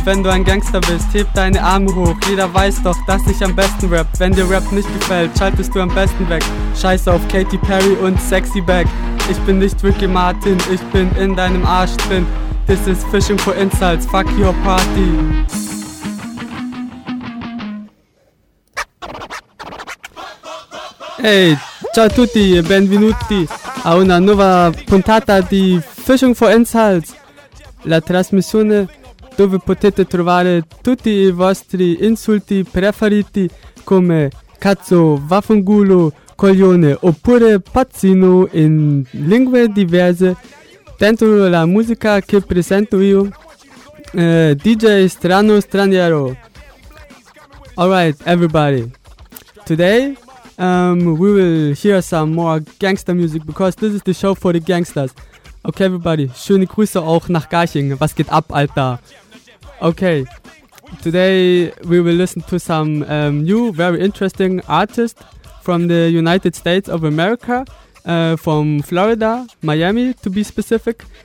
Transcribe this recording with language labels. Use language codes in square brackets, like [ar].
[de] Wenn du ein Gangster bist, heb deine Arme hoch. Jeder weiß doch, dass ich am besten rap. Wenn dir Rap nicht gefällt, schaltest du am besten weg. Scheiße auf Katy Perry und Sexy Back. Ich bin nicht Ricky Martin, ich bin in deinem Arsch drin. [en] This is fishing for insults, fuck your party. [it] Hey, ciao a tutti e benvenuti a una nuova puntata di Fishing for Insults. La trasmissione dove potete trovare tutti i vostri insulti preferiti come cazzo, vaffanculo, coglione oppure pazzino in lingue diverse dentro la musica che presento io, DJ Strano Straniero. [en] Alright everybody, today we will hear some more gangster music because this is the show for the gangsters. Okay, everybody, [de] schöne Grüße auch nach Garching. Was geht ab, Alter? [en] Okay, today we will listen to some new, very interesting artist from the United States of America, from Florida, Miami to be specific.